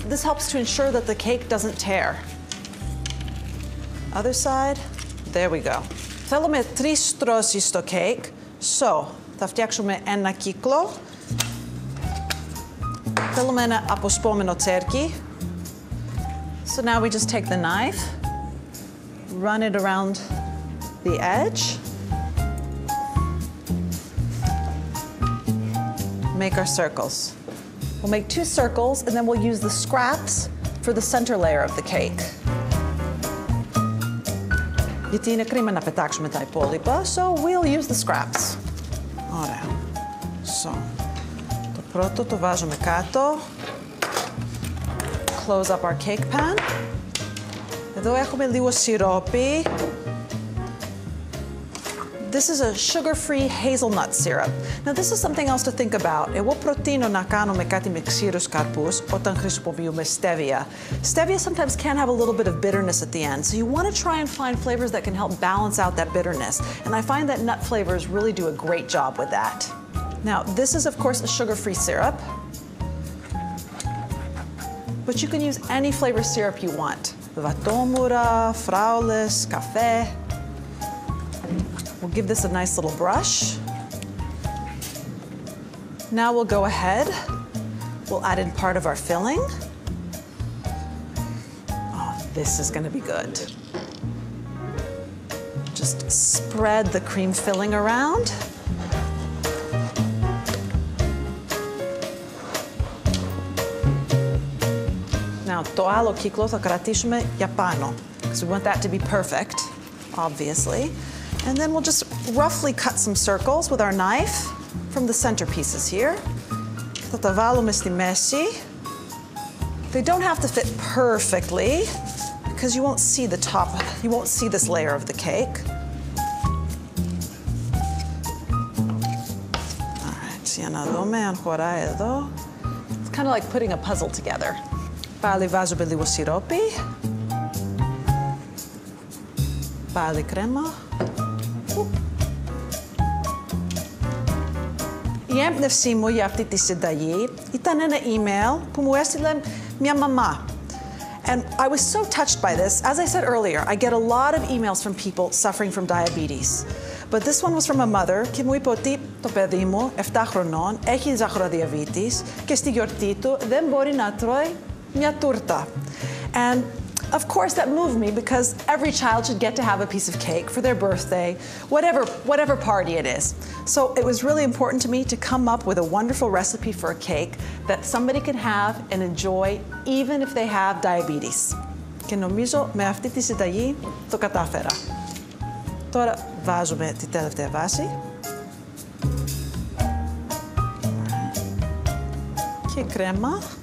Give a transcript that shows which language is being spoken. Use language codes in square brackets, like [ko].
[en] This helps to ensure that the cake doesn't tear. Other side, there we go. [el] Θέλουμε τρεις στρώσεις στο cake. So, θα φτιάξουμε ένα κύκλο. Θέλουμε ένα αποσπόμενο τσέρκι. [en] So now we just take the knife, run it around the edge. Make our circles. We'll make two circles and then we'll use the scraps for the center layer of the cake. [el] Γιατί είναι κρίμα να πετάξουμε τα υπόλοιπα, [en] so we'll use the scraps. [el] Ωραία. So, το πρώτο το βάζουμε κάτω. [en] Close up our cake pan. [el] Εδώ έχουμε λίγο σιρόπι. [en] This is a sugar-free hazelnut syrup. Now, this is something else to think about. [el] Εγώ προτείνω να κάνουμε κάτι με ξύρους καρπούς όταν χρησιμοποιούμε στέβια. [en] Στέβια sometimes can have a little bit of bitterness at the end, so you want to try and find flavors that can help balance out that bitterness. And I find that nut flavors really do a great job with that. Now, this is, of course, a sugar-free syrup. But you can use any flavor syrup you want. [el] Βατόμουρα, φράουλες, καφέ. [en] We'll give this a nice little brush. Now we'll go ahead. We'll add in part of our filling. Oh, this is gonna be good. Just spread the cream filling around. [el] Now, το άλλο κύκλο θα κρατήσουμε για πάνω. [en] Because we want that to be perfect, obviously. And then we'll just roughly cut some circles with our knife from the center pieces here. [el] Θα τα βάλουμε στη μέση. [en] They don't have to fit perfectly because you won't see the top, you won't see this layer of the cake. All right, [el] για να δούμε αν χωράει εδώ. [en] It's kind of like putting a puzzle together. [el] Πάλι βάζουμε λίγο σιρόπι. Πάλι κρέμα. Η έμπνευσή μου για αυτή τη συνταγή ήταν ένα email που μου έστειλε μια μαμά. [en] And I was so touched by this. As I said earlier, I get a lot of emails from people suffering from diabetes. But this one was from a mother. [el] Και μου είπε ότι το παιδί μου, 7 χρονών, έχει ζαχαροδιαβήτης και στη γιορτή του δεν μπορεί να τρώει μια τούρτα. [en] And of course, that moved me because every child should get to have a piece of cake for their birthday, whatever party it is. So it was really important to me to come up with a wonderful recipe for a cake that somebody can have and enjoy even if they have diabetes. [el] Και νομίζω με αυτή τη συνταγή το κατάφερα. Τώρα βάζουμε τη τελευταία βάση. Και κρέμα.